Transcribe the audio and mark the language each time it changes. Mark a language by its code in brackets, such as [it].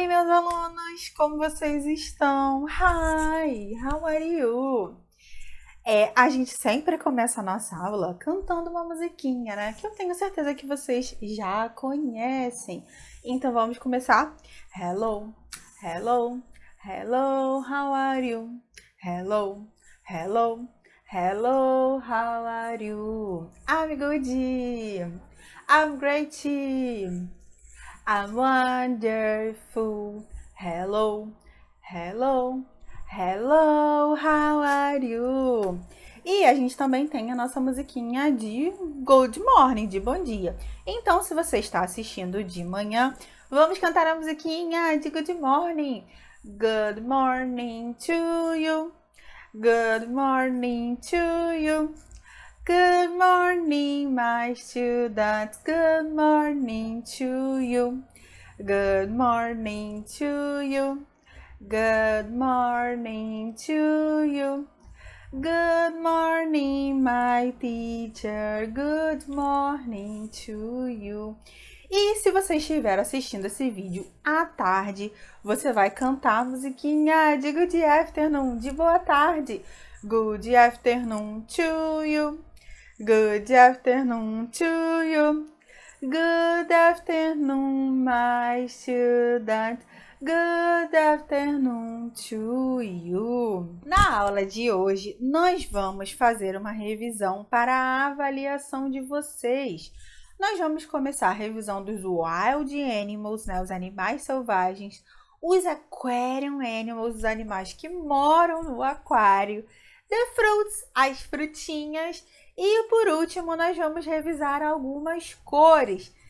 [pt] Alunos, como vocês estão? [en] Hi, how are you? [pt] A gente sempre começa a nossa aula cantando uma musiquinha, né? Que eu tenho certeza que vocês já conhecem. Então vamos começar. [en] Hello, hello, hello, how are you? Hello, hello, hello, how are you? I'm good. I'm great. I'm wonderful. Hello, hello, hello, how are you? [pt] E a gente também tem a nossa musiquinha de Good Morning, de Bom Dia. Então, se você está assistindo de manhã, vamos cantar a musiquinha de Good Morning. [en] Good morning to you. Good morning to you. Good morning, my students. Good morning to you. Good morning to you. Good morning to you. Good morning, my teacher. Good morning to you. [pt] E se você estiver assistindo esse vídeo à tarde, você vai cantar a musiquinha de Good Afternoon, de boa tarde. [en] Good afternoon to you. Good afternoon to you. Good afternoon, my students. Good afternoon to you. [pt] Na aula de hoje, nós vamos fazer uma revisão para a avaliação de vocês. Nós vamos começar a revisão dos wild animals, né, os animais selvagens, os aquarium animals, os animais que moram no aquário, the fruits, as frutinhas, e por último, nós vamos revisar algumas cores.